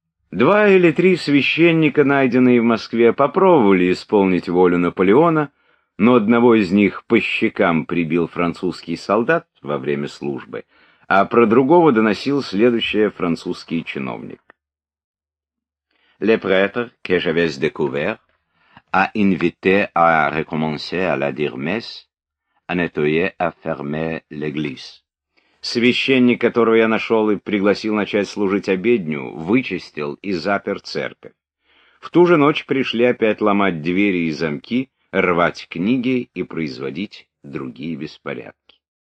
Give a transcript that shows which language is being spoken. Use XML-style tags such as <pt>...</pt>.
<ru>Два или три священника, найденные в Москве, попробовали исполнить волю Наполеона, но одного из них по щекам прибил французский солдат во время службы, а про другого доносил следующее французский чиновник.</ru> <fr>Le prêtre, que j'avais découvert, a invité à recommencer à la dire messe, à nettoyer, à fermer l'église.</fr> <ru>Священник, которого я нашел и пригласил начать служить обедню, вычистил и запер церковь. В ту же ночь пришли опять ломать двери и замки, рвать книги и производить другие беспорядки.</ru>